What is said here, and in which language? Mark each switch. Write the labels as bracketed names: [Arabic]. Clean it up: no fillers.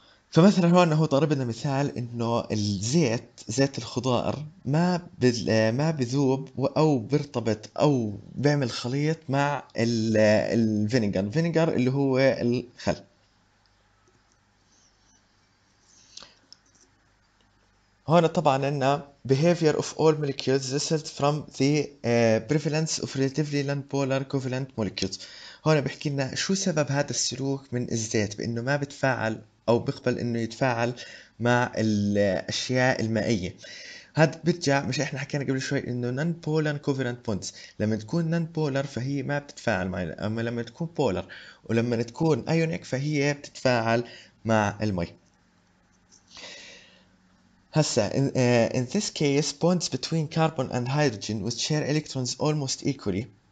[Arabic] فمثلا هون هو ضرب لنا مثال انه الزيت، زيت الخضار ما بذوب او بيرتبط او بيعمل خليط مع الفينيجر، الفينيجر اللي هو الخل. هون طبعا عندنا [English] behavior of all molecules result from the prevalence of relatively non-polar covalent molecules. [Arabic] هون بحكي لنا شو سبب هذا السلوك من الزيت بانه ما بتفاعل او بيقبل انه يتفاعل مع الاشياء المائيه. هذا بيرجع، مش احنا حكينا قبل شوي انه نون بولر كوفرنت بوندز، لما تكون نون بولر فهي ما بتتفاعل مع، اما لما تكون بولر ولما تكون ايونيك فهي بتتفاعل مع المي. [English] هسا in this case bonds between carbon and hydrogen which share electrons almost equally.